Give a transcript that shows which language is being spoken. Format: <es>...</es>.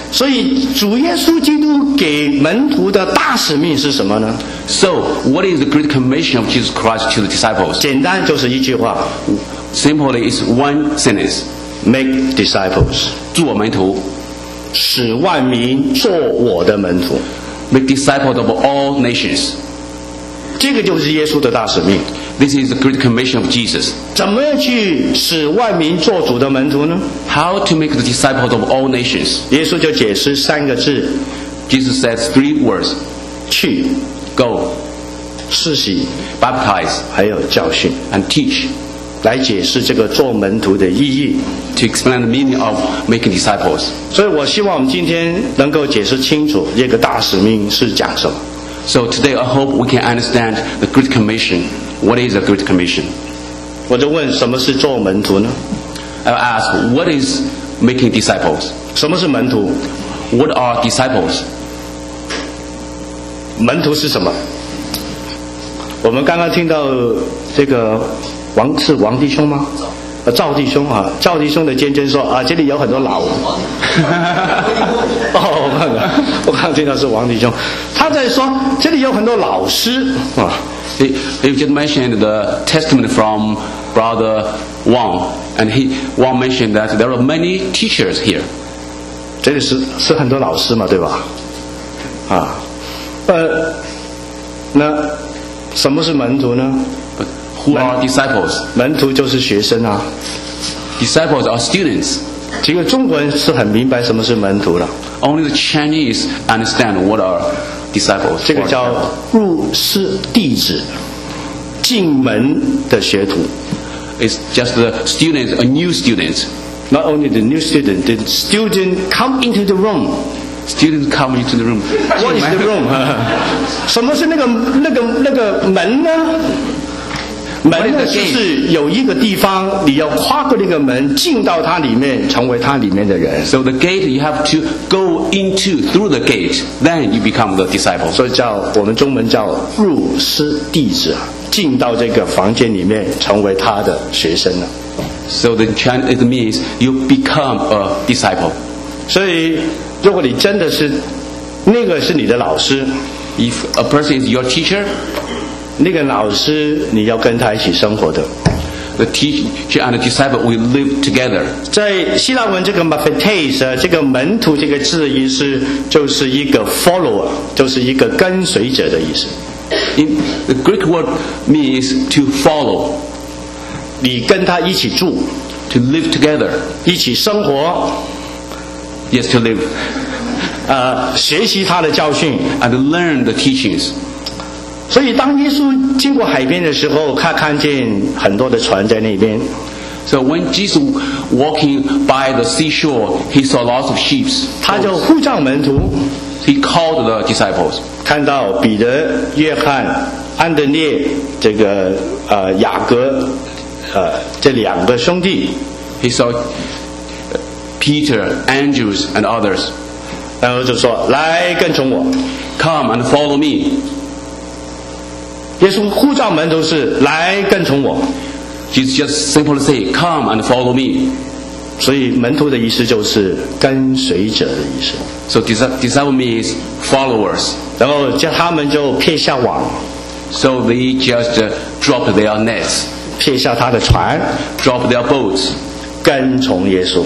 <zh>所以主耶稣基督给门徒的大使命是什么呢</zh> <en>So what is the great commission of Jesus Christ to the disciples</en> <zh>简单就是一句话</zh> <en>Simply is one sentence Make disciples</en> <zh>做门徒使万民做我的门徒</zh> <en>Make disciples of all nations</en> <zh>这个就是耶稣的大使命</zh> <en>This is the great commission of Jesus.</en> <zh>怎么样去使万民做主的门徒呢</zh> <en>How to make the disciples of all nations?</en> <zh>耶稣就解释三个字</zh> <en>Jesus says three words.</en> <zh>去</zh> <en>Go</en> <zh>施洗</zh> <en>Baptize</en> <zh>还有教训</zh> <en>And teach</en> <zh>来解释这个做门徒的意义</zh> <en>To explain the meaning of making disciples.</en> <zh>所以我希望我们今天能够解释清楚这个大使命是讲什么</zh> <en>So today I hope we can understand the great commission. What is a great commission?</en> <zh>我就问什么是做门徒呢</zh> <en>I ask, what is making disciples?</en> <zh>什么是门徒</zh> <en>What are disciples?</en> <zh>门徒是什么我们刚刚听到这个是王弟兄吗赵弟兄啊赵弟兄的尖尖说啊这里有很多老哦我刚听到是王弟兄他在说这里有很多老师啊</zh> <en>You just mentioned the testimony from Brother Wang, and Wang mentioned that there are many teachers here.</en> <zh>这里是很多老师嘛，对吧？那什么是门徒呢</zh> <en>Who are disciples?</en> <zh>门徒就是学生啊。</zh> <en>Disciples are students.</en> <zh>这个中国人是很明白什么是门徒的。</zh> <en>Only the Chinese understand what are. Disciples,</en> <zh>这个叫入室弟子，进门的学徒。</zh> <en>It's just the student, a new student. Not only the new student, the student come into the room. Students come into the room. What is the room?</en> <zh>什么是那个门呢？门呢就是有一个地方，你要跨过那个门，进到它里面，成为它里面的人。</zh> <en>So the gate you have to go into through the gate, then you become the disciple.</en> <zh>所以叫我们中文叫入室弟子，进到这个房间里面，成为他的学生了。</zh> <en>So the Chinese means you become a disciple.</en> <zh>所以如果你真的是那个是你的老师</zh> <en>，If a person is your teacher.</en> <zh>那个老师你要跟他一起生活的</zh> <en>The teacher and the disciple will live together</en> <zh>在希腊文这个 mathetes 这个门徒这个字意思就是一个 follower 就是一个跟随者的意思</zh> <en>In the Greek word means to follow</en> <zh>你跟他一起住</zh> <en>To live together</en> <zh>一起生活</zh> <en>Yes to live</en> <zh>学习他的教训</zh> <en>And learn the teachings</en> <zh>所以当耶稣经过海边的时候他看见很多的船在那边</zh> <en>So when Jesus walking by the seashore He saw lots of sheep</en> <zh>他就呼召门徒</zh> <en>He called the disciples</en> <zh>看到彼得、约翰、安德烈这个雅各这两个兄弟</zh> <en>He saw Peter, Andrew and others</en> <zh>然后就说来跟从我</zh> <en>Come and follow me</en> <zh>耶稣呼召门徒是来跟从我</zh> <en>Jesus just simply say come and follow me</en> <zh>所以门徒的意思就是跟随者的意思</zh> <en>So disciple means followers</en> <zh>然后他们就撇下网</zh> <en>So they just dropped their nets</en> <zh>撇下他的船</zh> <en>Dropped their boats</en> <zh>跟从耶稣</zh>